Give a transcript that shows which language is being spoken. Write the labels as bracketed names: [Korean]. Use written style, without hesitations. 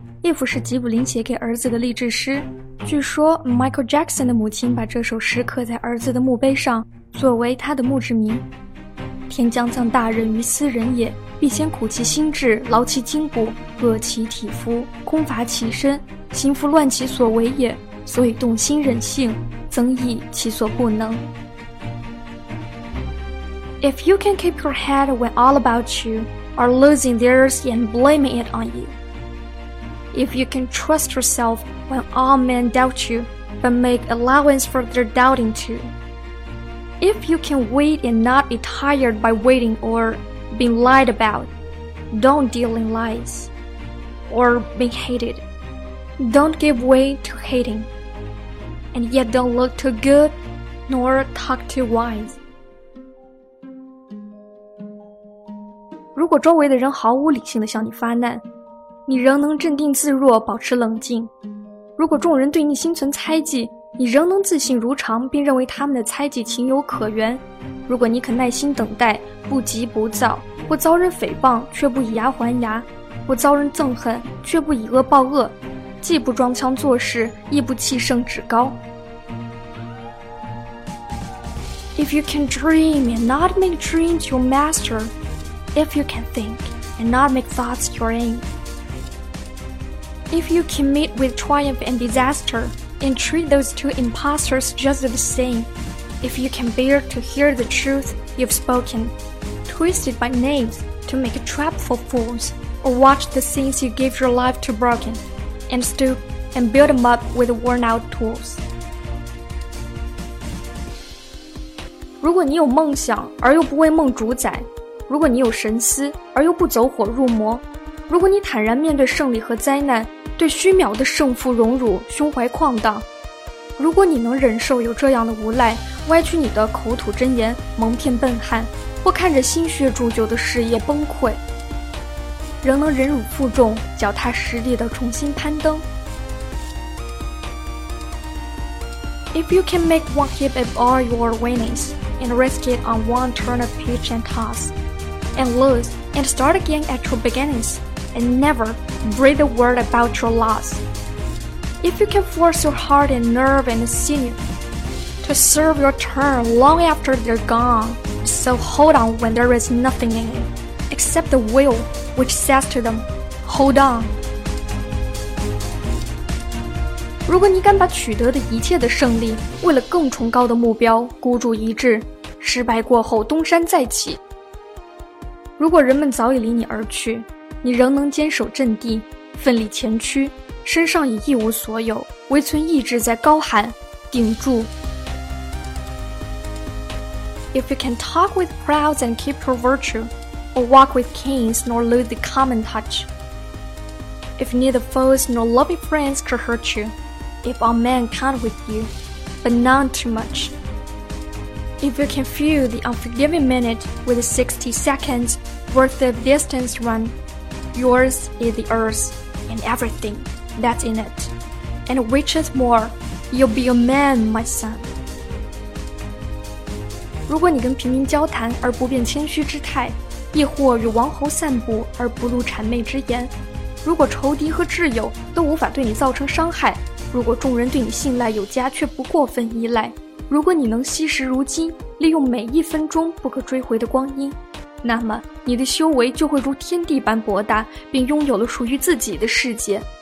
[Chinese] If 是吉卜林写给儿子的励志诗，据说 Michael Jackson 的母亲把这首诗刻在儿子的墓碑上，作为他的墓志铭。天将降大任于斯人也，必先苦其心志，劳其筋骨，饿其体肤，空乏其身，行拂乱其所为也，所以动心忍性，增益其所不能。 [English] If you can keep your head when all about you are losing theirs and blaming it on you. If you can trust yourself when all men doubt you, but make allowance for their doubting too. If you can wait and not be tired by waiting or being lied about, don't deal in lies. Or being hated, don't give way to hating. And yet don't look too good, nor talk too wise. [Chinese] 如果周围的人毫无理性地向你发难，你仍能镇定自若，保持冷静。如果众人对你心存猜忌，你仍能自信如常，并认为他们的猜忌情有可原。如果你肯耐心等待，不急不躁，或遭人诽谤却不以牙还牙，或遭人憎恨却不以恶报恶，既不装腔作势，亦不气盛趾高。 [English] If you can dream and not make dreams your master. If you can think and not make thoughts your aim. If you can meet with triumph and disaster and treat those two impostors just the same. If you can bear to hear the truth you've spoken, twisted by knaves to make a trap for fools, or watch the things you gave your life to broken, and stoop and build them up with worn out tools. [Chinese] 如果你有梦想而又不为梦主宰，如果你有神思而又不走火入魔，如果你坦然面对胜利和灾难，对虚渺的胜负荣辱胸怀旷荡，如果你能忍受有这样的无赖歪曲你的口吐真言蒙骗笨汉，或看着心血铸就的事业崩溃，仍能忍辱负重，脚踏实地地重新攀登。 [English] If you can make one heap of all your winnings and risk it on one turn of pitch and tossand lose, and start again at your beginnings, and never breathe a word about your loss. If you can force your heart and nerve and sinew to serve your turn long after they're gone, so hold on when there is nothing in it, except the will which says to them, hold on. [Chinese] 如果你敢把取得的一切的胜利为了更崇高的目标孤注一掷，失败过后东山再起，如果人们早已离你而去，你仍能坚守阵地，奋力前驱，身上已一无所有，唯存意志在高喊顶住。 [English] If you can talk with crowds and keep your virtue, or walk with kings nor lose the common touch, if neither foes nor loving friends could hurt you, if all men count with you, but none too much,If you can fill the unforgiving minute with 60 seconds worth of distance run, yours is the earth and everything that's in it. And which is more, you'll be a man, my son. [Chinese] 如果你跟平民交谈而不变谦虚之态，亦或与王侯散步而不露谄媚之言，如果仇敌和挚友都无法对你造成伤害，如果众人对你信赖有加却不过分依赖，如果你能惜时如金，利用每一分钟不可追回的光阴，那么你的修为就会如天地般博大，并拥有了属于自己的世界。